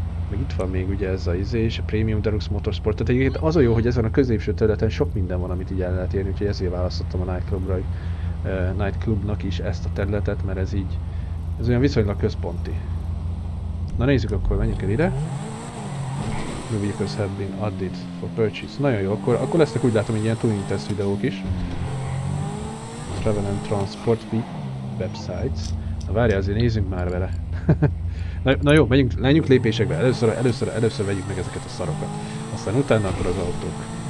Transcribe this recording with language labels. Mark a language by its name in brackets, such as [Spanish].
[Hungarian] Meg itt van még ugye ez a izé és a Premium Deluxe Motorsport. Tehát egyébként az a jó, hogy ezen a középső területen sok minden van, amit így el lehet érni, úgyhogy ezért választottam a Nightclubnak is ezt a területet, mert ez így, ez olyan viszonylag központi. Na nézzük akkor, menjünk el ide. [English] The vehicles have been added for purchase. [Hungarian] Nagyon jó, akkor lesznek úgy látom egy ilyen tuning test videók is. Travel and Transport Websites. Na várjál, azért nézzünk már vele. Na jó, menjünk lépésekbe. Először vegyük meg ezeket a szarokat. Aztán utána akkor az autók.